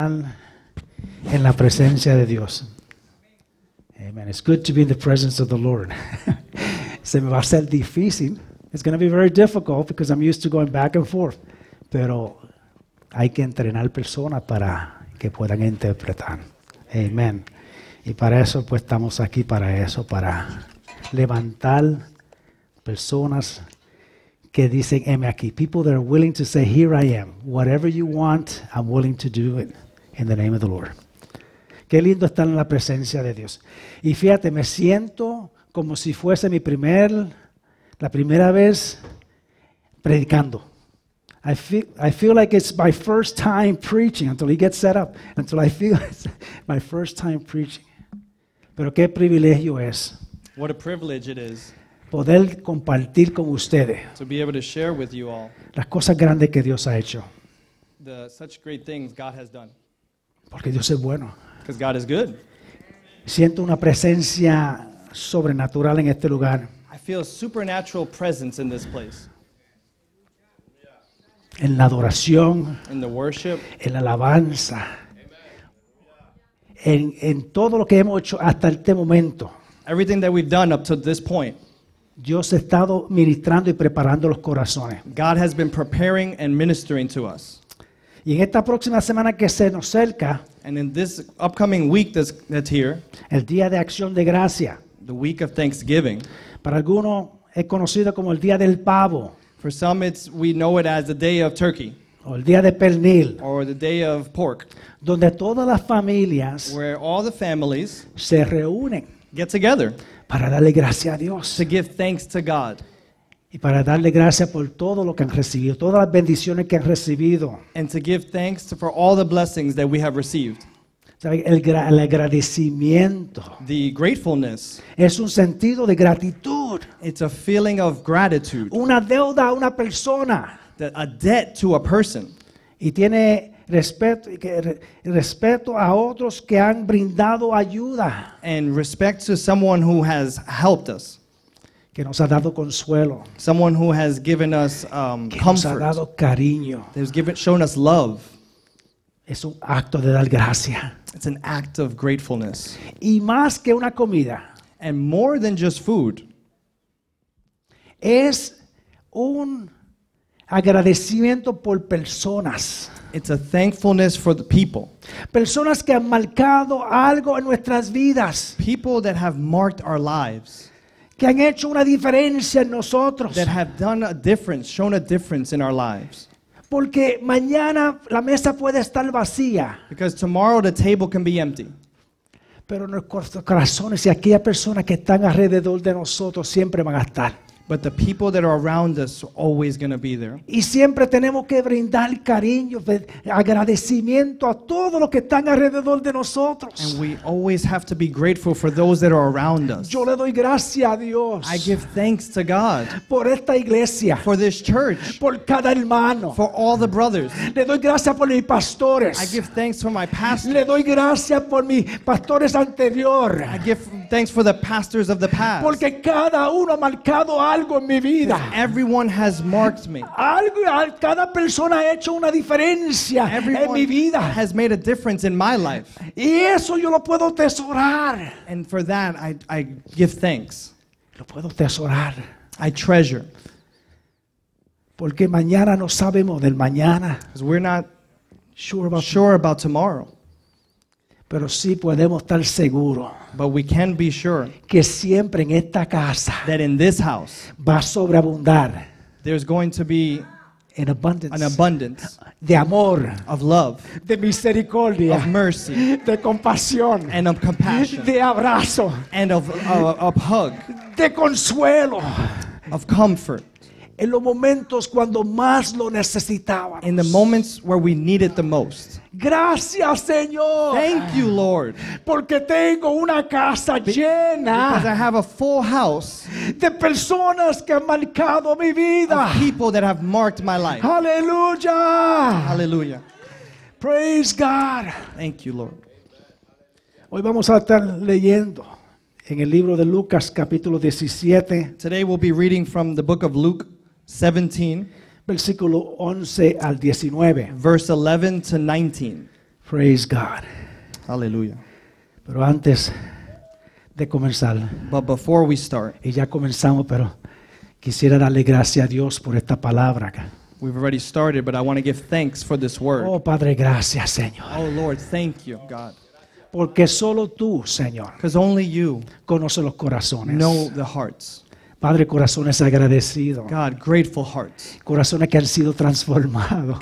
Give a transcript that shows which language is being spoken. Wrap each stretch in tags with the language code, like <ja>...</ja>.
<es>final en la presencia de Dios. Amen.</es> <en>It's good to be in the presence of the Lord.</en> <es>Se me va a ser difícil.</es> <en>It's going to be very difficult because I'm used to going back and forth.</en> <es>Pero hay que entrenar personas para que puedan interpretar. Amen. Y para eso, pues, estamos aquí para eso, para levantar personas que dicen, M aquí.</es> <en>People that are willing to say, here I am. Whatever you want, I'm willing to do it in the name of the Lord.</en> <es>Qué lindo estar en la presencia de Dios. Y fíjate, me siento como si fuese la primera vez predicando.</es> <en>I feel like it's my first time preaching until he gets set up. Until I feel it's my first time preaching.</en> <es>Pero qué privilegio es.</es> <en>What a privilege it is.</en> <es>Poder compartir con ustedes.</es> <en>To be able to share with you all.</en> <es>Las cosas grandes que Dios ha hecho.</es> <en>The such great things God has done.</en> <es>Porque Dios es bueno.</es> <en>Because God is good.</en> <es>Siento una presencia sobrenatural en este lugar.</es> <en>I feel a supernatural presence in this place.</en> <es>En la adoración,</es> <en>in the worship,</en> <es>en la alabanza, en todo lo que hemos hecho hasta este momento.</es> <en>Everything that we've done up to this point.</en> <es>Dios ha estado ministrando y preparando los corazones.</es> <en>God has been preparing and ministering to us.</en> <es>Y en esta próxima semana que se nos acerca,</es> <en>and in this upcoming week that's here,</en> <es>el Día de Acción de Gracia,</es> <en>the week of Thanksgiving,</en> <es>para algunos es conocido como el Día del Pavo.</es> <en>For some, we know it as the day of turkey.</en> <es>O el día de pernil.</es> <en>Or the day of pork.</en> <es>Donde todas las familias,</es> <en>where all the families,</en> <es>se reúnen,</es> <en>get together,</en> <es>para darle gracias a Dios,</es> <en>to give thanks to God,</en> <es>y para darle gracias por todo lo que han recibido, todas las bendiciones que han recibido,</es> <en>and to give thanks for all the blessings that we have received.</en> <es>El agradecimiento,</es> <en>the gratefulness,</en> <es>es un sentido de gratitud.</es> <en>It's a feeling of gratitude.</en> <es>Una deuda a una persona.</es> <en>A debt to a person.</en> <es>Y tiene respeto a otros que han brindado ayuda.</es> <en>And respect to someone who has helped us.</en> <es>Que nos ha dado consuelo.</es> <en>Someone who has given us comfort.</en> <es>Que nos ha dado cariño.</es> <en>That has shown us love.</en> <es>Es un acto de dar gracia.</es> <en>It's an act of gratefulness.</en> <es>Y más que una comida.</es> <en>And more than just food.</en> <es>Es un agradecimiento por personas.</es> <en>It's a thankfulness for the people.</en> <es>Personas que han marcado algo en nuestras vidas.</es> <en>People that have marked our lives.</en> <es>Que han hecho una diferencia en nosotros.</es> <en>That have done a difference, shown a difference in our lives.</en> <es>Porque mañana la mesa puede estar vacía.</es> <en>Because tomorrow the table can be empty.</en> <es>Pero nuestros corazones y aquellas personas que están alrededor de nosotros siempre van a estar.</es> <en>But the people that are around us are always going to be there.</en> <es>Y siempre tenemos que brindar cariño, agradecimiento a todos los que están alrededor de nosotros.</es> <en>And we always have to be grateful for those that are around us.</en> <es>Yo le doy gracias a Dios.</es> <en>I give thanks to God.</en> <es>Por esta iglesia.</es> <en>For this church.</en> <es>Por cada hermano.</es> <en>For all the brothers.</en> <es>Le doy gracias por mis pastores.</es> <en>I give thanks for my pastors.</en> <es>Le doy gracias por mis pastores anteriores.</es> <en>I give thanks for the pastors of the past.</en> <es>Porque cada uno ha marcado algo en mi vida.</es> <en>Everyone has marked me.</en> <es>Algo, cada persona ha hecho una diferencia</es> <en>everyone</en> <es>en mi vida.</es> <en>Has made a difference in my life.</en> <es>Y eso yo lo puedo tesorar.</es> <en>And for that I give thanks.</en> <es>Lo puedo tesorar.</es> <en>I treasure.</en> <es>Porque mañana no sabemos del mañana.</es> <en>Because we're not sure about tomorrow.</en> <es>Pero sí podemos estar seguros.</es> <en>But we can be sure</en> <es>que siempre en esta casa,</es> <en>that in this house</en> <es>va a sobreabundar,</es> <en>there's going to be an abundance</en> <es>de amor,</es> <en>of love,</en> <es>de misericordia,</es> <en>of mercy,</en> <es>de compasión,</es> <en>and of compassion,</en> <es>de abrazo,</es> <en>and of hug,</en> <es>de consuelo,</es> <en>of comfort,</en> <es>en los momentos cuando más lo necesitábamos,</es> <en>in the moments where we need it the most.</en> <es>Gracias, Señor.</es> <en>Thank you, Lord.</en> <es>Porque tengo una casa llena.</es> <en>Because I have a full house.</en> <es>De personas que han marcado mi vida.</es> <en>Of people that have marked my life. Hallelujah. Hallelujah. Praise God. Thank you, Lord.</en> <es>Hoy vamos a estar leyendo en el libro de Lucas, capítulo 17.</es> <en>Today we'll be reading from the book of Luke 17.</en> <es>Versículo 11 al 19.</es> <en>Verse 11 to 19. Praise God.</en> <es>Aleluya. Pero antes de comenzar.</es> <en>But before we start.</en> <es>Y ya comenzamos, pero quisiera darle gracias a Dios por esta palabra acá.</es> <en>We've already started, but I want to give thanks for this word.</en> <es>Oh, Padre, gracias, Señor.</es> <en>Oh, Lord, thank you, God.</en> <es>Porque solo tú, Señor,</es> <en>only you</en> <es>conoces los corazones.</es> <en>Know the hearts.</en> <es>Padre, corazones agradecidos.</es> <en>God, grateful hearts.</en> <es>Corazones que han sido transformados.</es>